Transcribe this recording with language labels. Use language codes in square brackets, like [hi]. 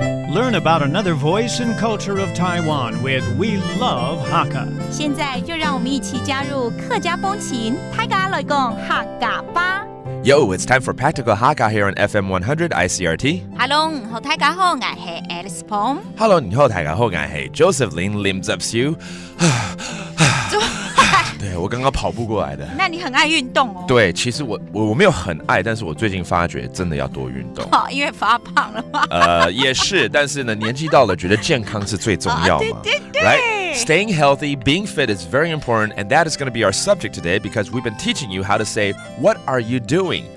[en] Learn about another voice and culture of Taiwan with We Love Hakka. [zh] 现在就让我们一起加入客家风情，大家来讲客家吧。 [en] Yo, it's time for Practical Hakka here on FM 100 ICRT. [zh] Hello, 你好，大家好，我是 Alice Pom. Hello, 你好，大家好，我是 Joseph Lin Lim Zepsiu. 对，我刚刚跑步过来的。那你很爱运动哦。对，其实我没有很爱，但是我最近发觉真的要多运动。哦，因为发胖了吗？也是，但是呢，年纪到了，觉得健康是最重要嘛。对对对。 [en] Right? Staying healthy, being fit is very important, and that is going to be our subject today because we've been teaching you how to say, what are you doing?